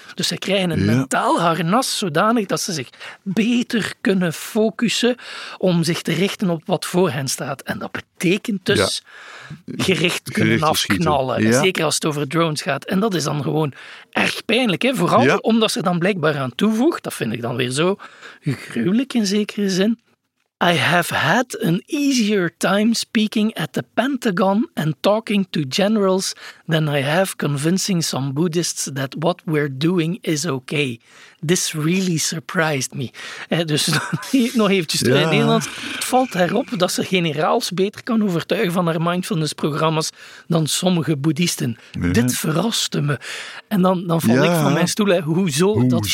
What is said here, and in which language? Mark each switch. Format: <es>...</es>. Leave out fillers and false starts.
<nl>Dus ze krijgen een mentaal harnas zodanig dat ze zich beter kunnen focussen om zich te richten op wat voor hen staat. En dat betekent dus gericht kunnen afknallen. Ja. Zeker als het over drones gaat. En dat is dan gewoon erg pijnlijk. Hè? Vooral omdat ze dan blijkbaar aan toevoegt, dat vind ik dan weer zo gruwelijk in zekere zin.</nl> <en>I have had an easier time speaking at the Pentagon and talking to generals than I have convincing some Buddhists that what we're doing is okay. This really surprised me.</en> <nl>Dus nog eventjes terug in Nederland. Het valt erop dat ze generaals beter kan overtuigen van haar mindfulness-programma's dan sommige boeddhisten. Nee. Dit verraste me. En dan val ik van mijn stoel. Hoezo?</nl>